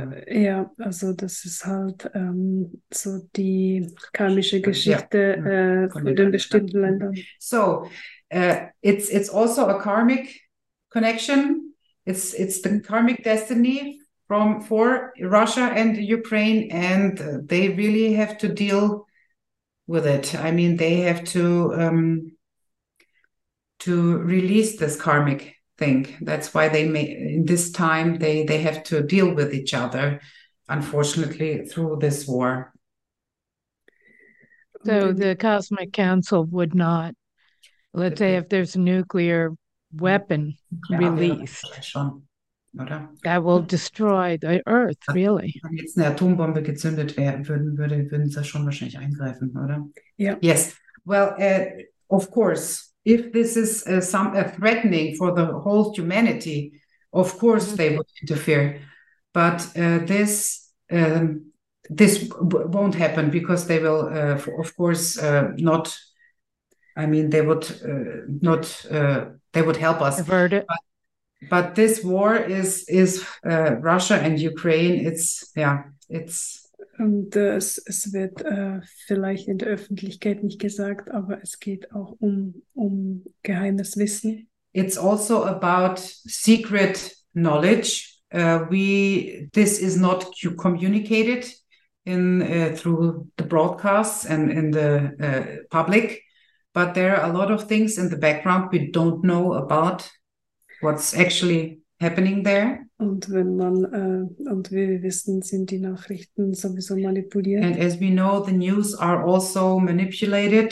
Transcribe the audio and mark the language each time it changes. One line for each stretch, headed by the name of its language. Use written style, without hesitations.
German: Ja, also das ist halt so die karmische Geschichte von den bestimmten Ländern.
English: So, it's also a karmic connection. It's the karmic destiny for Russia and Ukraine, and they really have to deal with it. I mean, they have to release this karmic thing. That's why in this time they have to deal with each other, unfortunately, through this war. So the Cosmic Council would not, let's say, if there's a nuclear weapon released, that will destroy the Earth, really.
German: Wenn jetzt eine Atombombe gezündet werden würde, würden sie schon wahrscheinlich eingreifen, oder?
English: Yeah. Yes. Well, of course, if this is a threatening for the whole humanity, of course they would interfere. But this won't happen because they will, not. I mean, they would not. They would help us. Avert it. But this war is Russia and Ukraine. It's.
German: Und es wird vielleicht in der Öffentlichkeit nicht gesagt, aber es geht auch um geheimes Wissen.
English: It's also about secret knowledge. This is not communicated in through the broadcasts and in the public. But there are a lot of things in the background we don't know about. What's actually happening there?
German: Und wenn man und wie wir wissen, sind die Nachrichten sowieso manipuliert.
English: And as we know, the news are also manipulated.